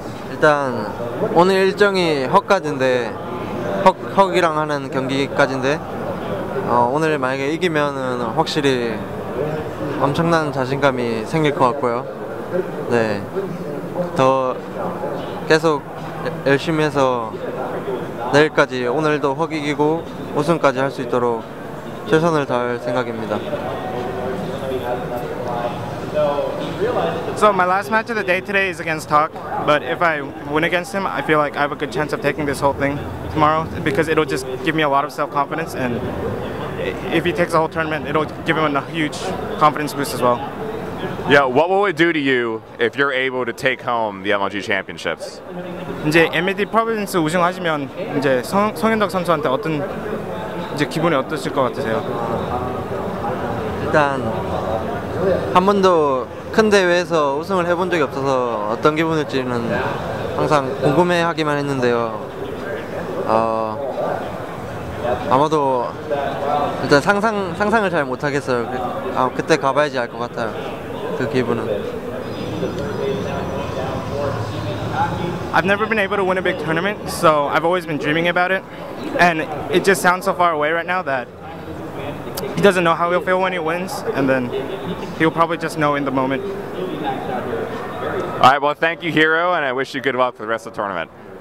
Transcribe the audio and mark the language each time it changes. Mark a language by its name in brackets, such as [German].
[Korean] 일단 오늘 일정이 헉까지인데 헉이랑 하는 경기까지인데 오늘 만약에 이기면은 확실히 엄청난 자신감이 생길 것 같고요. 네, 더 계속 열심히 해서 내일까지 오늘도 확 이기고 우승까지 할 수 있도록 최선을 다할 생각입니다. [English] So my last match of the day today is against Huck, but if I win against him, I feel like I have a good chance of taking this whole thing tomorrow because it'll just give me a lot of self-confidence, and if he takes the whole tournament, it'll give him a huge confidence boost as well. Yeah, what will it do to you if you're able to take home the MLG championships? [Korean] 이제 MLG 프로빈스 우승하시면 이제 성현덕 선수한테 어떤 이제 기분이 어떠실 것 같으세요? 일단 한 번도 큰 대회에서 우승을 해본 적이 없어서 어떤 기분일지는 항상 궁금해하기만 했는데요. 아마도 일단 상상을 잘 못 하겠어요. 그때 가봐야지 알 것 같아요. 그 기분은. [English] I've never been able to win a big tournament, so I've always been dreaming about it. And it just sounds so far away right now that he doesn't know how he'll feel when he wins, and then he'll probably just know in the moment. All right, well, thank you, Hero, and I wish you good luck for the rest of the tournament.